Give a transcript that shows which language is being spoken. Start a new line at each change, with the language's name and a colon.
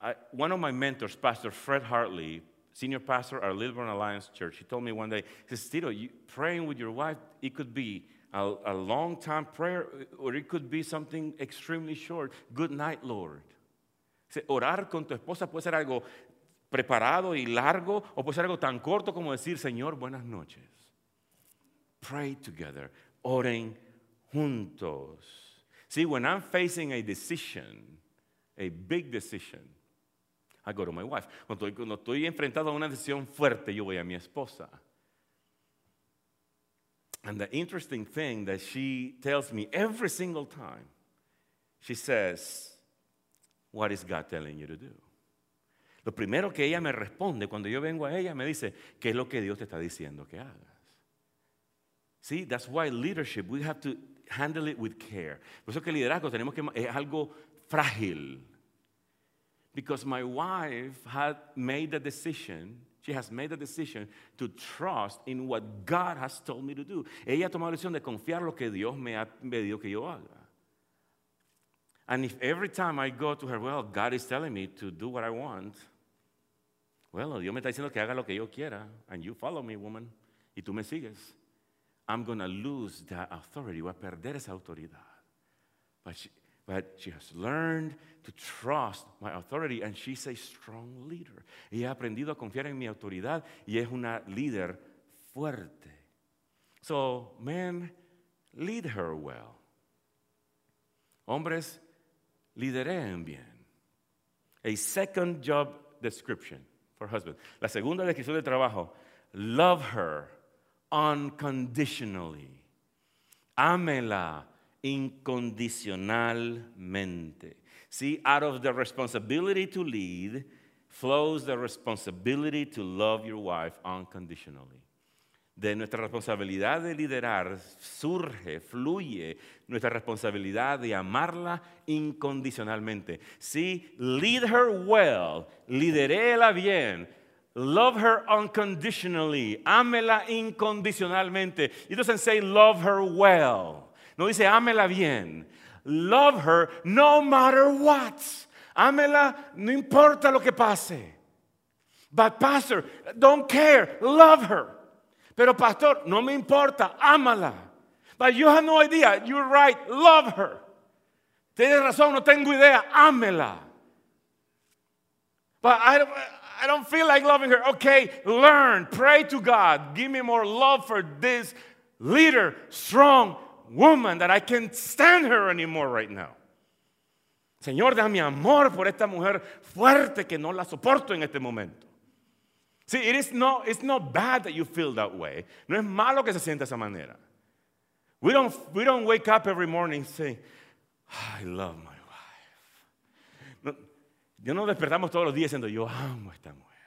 English: One of my mentors, Pastor Fred Hartley, senior pastor at Lilburn Alliance Church, he told me one day, he says, Tito, you, praying with your wife, it could be a long time prayer, or it could be something extremely short. Good night, Lord.
Spanish: Orar con tu esposa puede ser algo preparado y largo, o puede ser algo tan corto como decir, Señor, buenas noches.
English: Pray together.
Spanish: Oren juntos.
English: See, when I'm facing a decision, a big decision, I go to my wife.
Spanish: Cuando estoy enfrentado a una decisión fuerte, yo voy a mi esposa.
English: And the interesting thing that she tells me every single time, she says, what is God telling you to do?
Spanish: Lo primero que ella me responde cuando yo vengo a ella, me dice, ¿qué es lo que Dios te está diciendo que hagas?
English: See, that's why leadership, we have to handle it with care.
Spanish: Por eso que liderazgo tenemos que, es algo frágil.
English: Because my wife had made the decision, she has made the decision to trust in what God has told me to do.
Spanish: Ella tomó la decisión de confiar lo que Dios me ha pedido que yo haga.
English: And if every time I go to her, well, God is telling me to do what I want.
Spanish: Well, Dios me está diciendo que haga lo que yo quiera.
English: And you follow me, woman.
Spanish: Y tú me sigues.
English: I'm going to lose that authority.
Spanish: Voy a perder esa autoridad.
English: But she has learned to trust my authority, and she's a strong leader.
Spanish: Ella ha aprendido a confiar en mi autoridad, y es una líder fuerte.
English: So, men, lead her well.
Spanish: Hombres, lideren bien.
English: A second job description for husband.
Spanish: La segunda descripción de trabajo,
English: love her unconditionally.
Spanish: Ámela incondicionalmente.
English: See, out of the responsibility to lead flows the responsibility to love your wife unconditionally.
Spanish: De nuestra responsabilidad de liderar surge, fluye nuestra responsabilidad de amarla incondicionalmente.
English: See, lead her well,
Spanish: lidéela bien.
English: Love her unconditionally,
Spanish: ámela incondicionalmente.
English: It doesn't say love her well.
Spanish: No dice, ámela bien.
English: Love her no matter what.
Spanish: Ámela, no importa lo que pase.
English: But pastor, don't care. Love her.
Spanish: Pero pastor, no me importa. Ámala.
English: But you have no idea. You're right. Love her.
Spanish: Tienes razón, no tengo idea. Ámela.
English: But I don't feel like loving her. Okay, learn. Pray to God. Give me more love for this leader. Strong woman, that I can't stand her anymore right now.
Spanish: Señor, dame amor por esta mujer fuerte que no la soporto en este momento.
English: See, it's not bad that you feel that way.
Spanish: No es malo que se sienta esa manera.
English: We don't wake up every morning saying, I love my wife.
Spanish: No, yo no despertamos todos los días diciendo, yo amo a esta mujer.